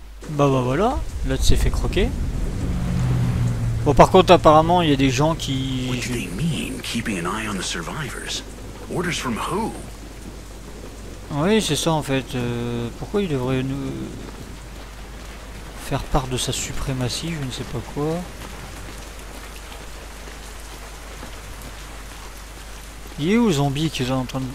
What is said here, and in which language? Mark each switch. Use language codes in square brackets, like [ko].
[fr] Bah voilà, là tu t'es fait croquer. Bon, par contre, apparemment, il y a des gens qui... [en] What do they mean, keeping an eye on the survivors? Orders from who? [fr] Oui, c'est ça, en fait. Pourquoi il devrait nous... faire part de sa suprématie, je ne sais pas quoi. Il est où, zombie, qui est en train de...